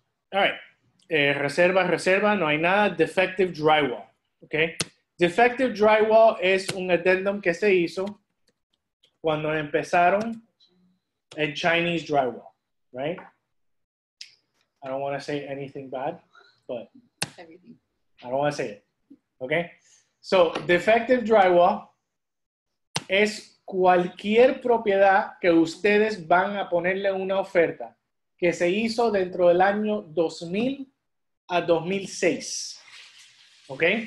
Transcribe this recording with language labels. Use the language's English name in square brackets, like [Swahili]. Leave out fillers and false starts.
[English] All right. [Spanish] reserva, no hay nada. Defective drywall, ¿ok? Defective drywall es un addendum que se hizo cuando empezaron el Chinese drywall, right? [English] I don't want to say anything bad, but everything. I don't want to say it, ¿ok? [Spanish] So, defective drywall es cualquier propiedad que ustedes van a ponerle una oferta que se hizo dentro del año 2000 a 2006, ¿ok?